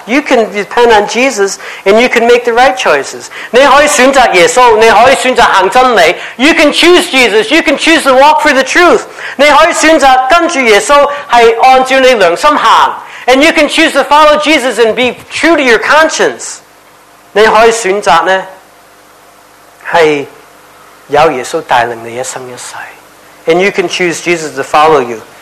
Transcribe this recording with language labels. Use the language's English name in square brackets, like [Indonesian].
[English] You can depend on Jesus and you can make the right choices. [Chinese] 你可以选择耶稣，你可以选择行真理。 [English] You can choose Jesus. You can choose to walk for the truth. [Chinese] 你可以选择跟着耶稣，是按照你良心行。 [English] And you can choose to follow Jesus and be true to your conscience. [Chinese] 你可以选择呢，是有耶稣带领你一生一世。 [English] And you can choose Jesus to follow you.